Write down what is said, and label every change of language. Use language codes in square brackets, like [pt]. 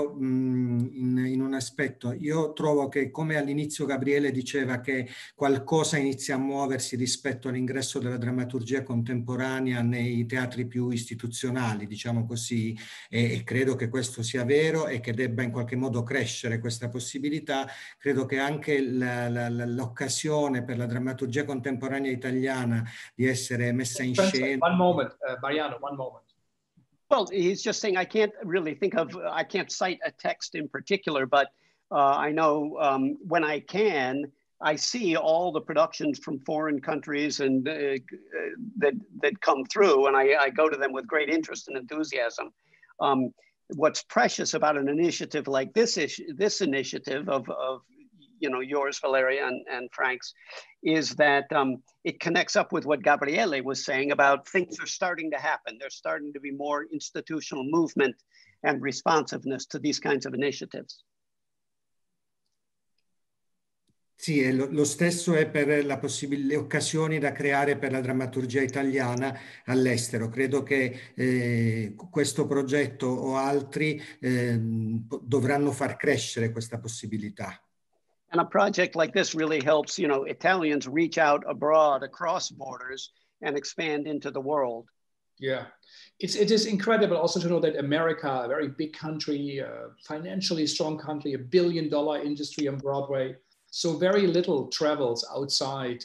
[it] in un aspetto. Io trovo che, come all'inizio Gabriele diceva, che qualcosa inizia a muoversi rispetto all'ingresso della drammaturgia contemporanea nei teatri più istituzionali, diciamo così, e credo che questo sia vero e che debba in qualche modo crescere questa possibilità. Credo che anche l'occasione per la drammaturgia contemporanea italiana di essere messa in scena... [en] One moment, Mariano, one moment. Well, he's just saying, I can't cite a text in particular, but I know when I can, I see all the productions from foreign countries and that come through, and I go to them with great interest and enthusiasm. What's precious about an initiative like this initiative of you know, yours, Valeria, and Frank's, is that it connects up with what Gabriele was saying about things are starting to happen. There's starting to be more institutional movement and responsiveness to these kinds of initiatives. [it] Sì, lo stesso è per le occasioni da creare per la drammaturgia italiana all'estero. Credo che questo progetto o altri dovranno far crescere questa possibilità. [en] And a project like this really helps, you know, Italians reach out abroad across borders and expand into the world. Yeah, it is incredible also to know that America, a very big country, a financially strong country, $1 billion industry on Broadway, so very little travels outside.